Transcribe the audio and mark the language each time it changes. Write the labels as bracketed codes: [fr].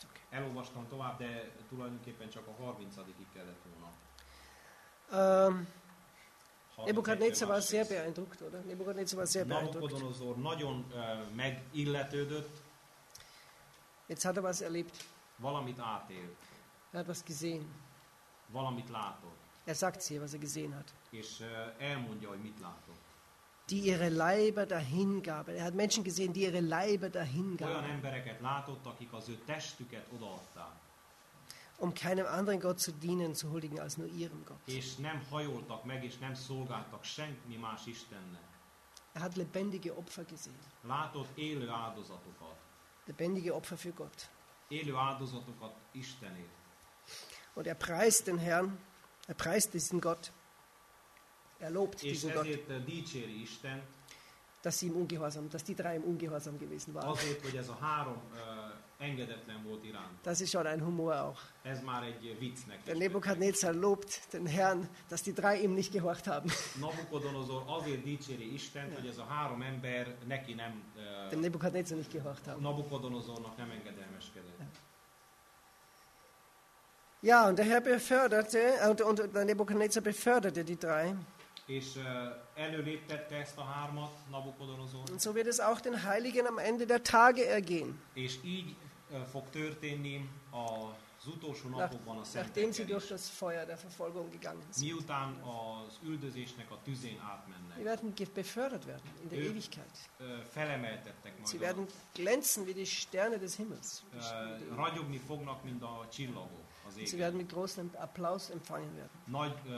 [hu] Elolvastam tovább, de tulajdonképpen csak a 30-ig kellett volna. [de] Nebukadnezar war sehr beeindruckt, oder? Nebukadnezar war sehr beeindruckt. [hu] Nabukodonozor nagyon megilletődött. [de] Jetzt hat er was erlebt. [hu] Valamit átél. [de] Er hat was gesehen. [hu] Valamit látott. [de] Er sagt sie, was er gesehen hat. [hu] És elmondja, hogy mit látott. [de] Die ihre Leiber dahingaben. Er hat Menschen gesehen, die ihre Leiber dahingaben. [hu] Olyan embereket látott, akik az ő testüket odaadták. [de] Um keinem anderen Gott zu dienen, zu huldigen, als nur ihrem Gott. [hu] És nem hajoltak meg, és nem szolgáltak senki más Istennek. [de] Er hat lebendige Opfer gesehen. [hu] Látott élő áldozatokat. [de] Lebendige Opfer für Gott. [hu] Élő áldozatokat Istenért. [de] Und er preist den Herrn. Er preist diesen Gott. Er lobt diesen Gott. [hu] És ezért dicséri Isten. [de] Dass die drei im Ungehorsam gewesen waren. [hu] Azért, hogy ez a három engedetlen volt iránt. [de] Das ist schon ein Humor auch. [hu] Ez már egy viccnek. [de] Der Nebukadnezar lobt den Herrn, dass die drei ihm nicht gehorcht haben. [hu] Nabukodonozor azért dicséri Istent, hogy ez a három ember neki nem... [de] Dem Nebukadnezar nicht gehorcht haben. [hu] Nabukodonozornak nem engedelmeskedett. [de] Ja, und der Herr beförderte, und der Nebukadnezar beförderte die drei. [hu] És előléptette ezt a hármat, Nabukodonozor. [de] Und so wird es auch den Heiligen am Ende der Tage ergehen. [hu] És így fog történni a [de] nachdem sie durch das Feuer der Verfolgung gegangen sind. [hu] Miután az üldözésnek a tüzén átmennek. [de] Sie werden befördert werden in der Ewigkeit. [hu] Felemeltettek majd. [de] Sie werden glänzen wie die Sterne des Himmels. [hu] Ragyogni fognak, mint a csillagok az égen. [de] Sie werden mit großem Applaus empfangen werden.